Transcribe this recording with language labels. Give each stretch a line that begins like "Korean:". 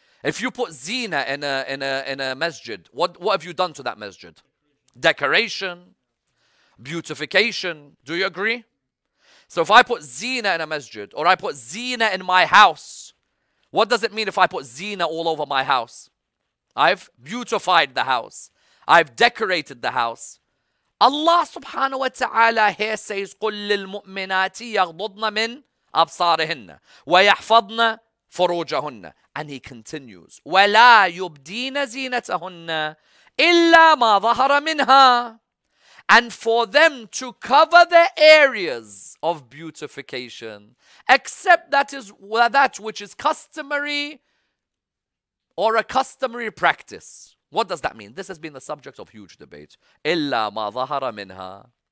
English: If you put zina in a masjid, what have you done to that masjid? Decoration. Beautification. Do you agree? So if I put zina in a masjid or I put zina in my house, what does it mean if I put zina all over my house? I've beautified the house. I've decorated the house. Allah subhanahu wa ta'ala here says,
Arabic: قُلْ لِلْمُؤْمِنَاتِ يَغْضُضْنَ مِنْ أَبْصَارِهِنَّ وَيَحْفَضْنَ فُرُوجَهُنَّ.
English: And he continues,
Arabic: وَلَا يُبْدِينَ زِينَتَهُنَّ illa ma zahara minha.
English: And for them to cover their areas of beautification, except that is that which is customary or a customary practice. What does that mean? This has been the subject of huge debate.
Arabic: Illa ma zahara minha.